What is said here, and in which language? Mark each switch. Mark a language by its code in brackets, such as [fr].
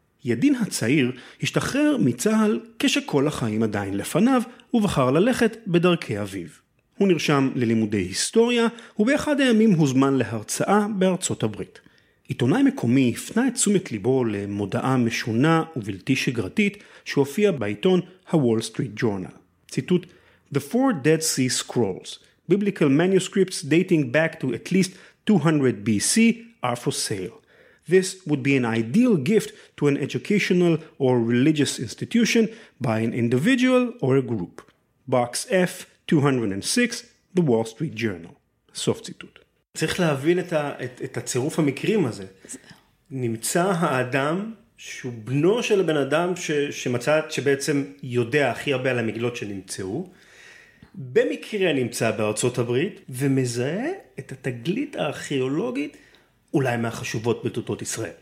[he] ידין הצעיר השתחרר מצה"ל כשכל החיים עדיין לפניו, ובחר ללכת בדרכי אביו. הוא נרשם ללימודי היסטוריה, ובאחד הימים הוזמן להרצאה בארצות הברית. עיתונאי מקומי הפנה את תשומת ליבו למודעה משונה ובלתי שגרתית שהופיע בעיתון ה-Wall Street Journal. [en] ציטוט, "The four Dead Sea Scrolls, biblical manuscripts dating back to at least 200 BC, are for sale. This would be an ideal gift to an educational or religious institution by an individual or a group. Box F 206, The Wall Street Journal." [he] סוף ציטוט. צריך להבין את, את הצירוף המקרים הזה. נמצא האדם שהוא בנו של הבן אדם שמצא, שבעצם יודע הכי הרבה על המגילות שנמצאו, במקרה נמצא בארצות הברית, ומזהה את התגלית הארכיאולוגית אולי מהחשובות בתולדות ישראל.